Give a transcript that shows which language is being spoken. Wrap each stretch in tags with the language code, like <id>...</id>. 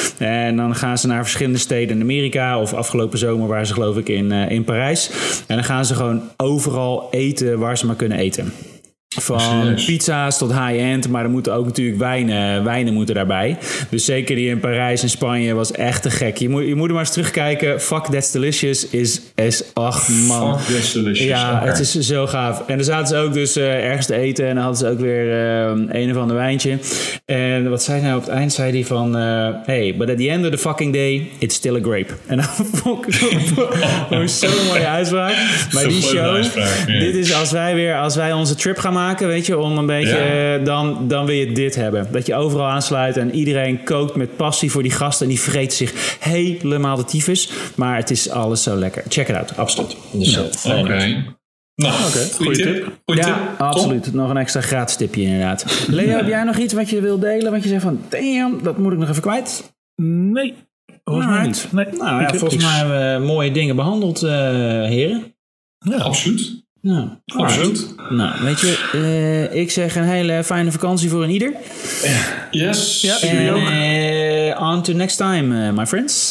<nl>En dan gaan ze naar verschillende steden in Amerika. Of afgelopen zomer waren ze geloof ik in Parijs. En dan gaan ze gewoon overal eten waar ze maar kunnen eten. Van pizza's tot high-end. Maar er moeten ook natuurlijk wijnen moeten daarbij. Dus zeker die in Parijs en Spanje was echt te gek. Je moet er maar eens terugkijken. Fuck, That's Delicious is ach man. Fuck, That's Delicious. Ja, het is zo gaaf. En dan zaten ze ook dus ergens te eten. En dan hadden ze ook weer een of ander wijntje. En wat zei hij nou op het eind? Zei hij van,</nl> <en>hey, but at the end of the fucking day, it's still a grape.</en> <nl>En dan vond ik zo'n mooie uitspraak. Maar die show, dit is als wij onze trip gaan maken, weet je, om een beetje, dan wil je dit hebben. Dat je overal aansluit en iedereen kookt met passie voor die gasten en die vreet zich helemaal de tyfus. Maar het is alles zo lekker.</nl> <en>Check it out, absoluut.</en> <nl>Oké. Goeie tip. Ja, absoluut. Nog een extra gratis tipje inderdaad. Leo, heb jij nog iets wat je wil delen? Want je zegt van, damn, dat moet ik nog even kwijt. Nee, volgens mij niet. Nou ja, volgens mij hebben we mooie dingen behandeld, heren. Ja, absoluut. Nou, absoluut. Nou, weet je, ik zeg een hele fijne vakantie voor een ieder.</nl> <en>Yes. Yep. En on to next time, my friends.</en>